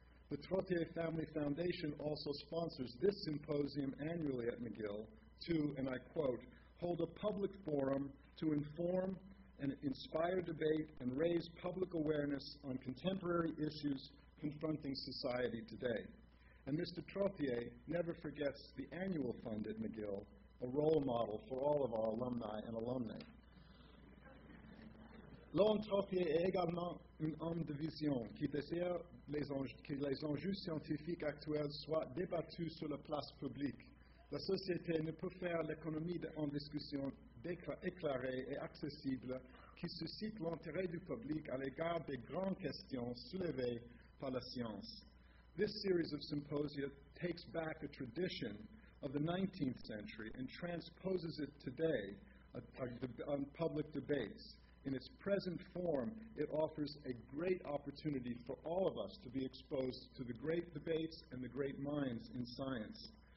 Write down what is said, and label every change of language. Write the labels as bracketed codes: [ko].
[en] The Trottier Family Foundation also sponsors this symposium annually at McGill to, and I quote, hold a public forum to inform and inspire debate and raise public awareness on contemporary issues confronting society today. And Mr. Trottier never forgets the annual fund at McGill, a role model for all of our alumni and alumnae. [fr] Laurent Trottier est également un homme de vision qui désire que les enjeux scientifiques actuels soient débattus sur la place publique. La société ne peut faire l'économie en discussion éclairée et accessible qui suscite l'intérêt du public à l'égard des grandes questions soulevées par la science. [en] this series of symposia takes back a tradition of the 19th century and transposes it today on public debates. In its present form, it offers a great opportunity for all of us to be exposed to the great debates and the great minds in science.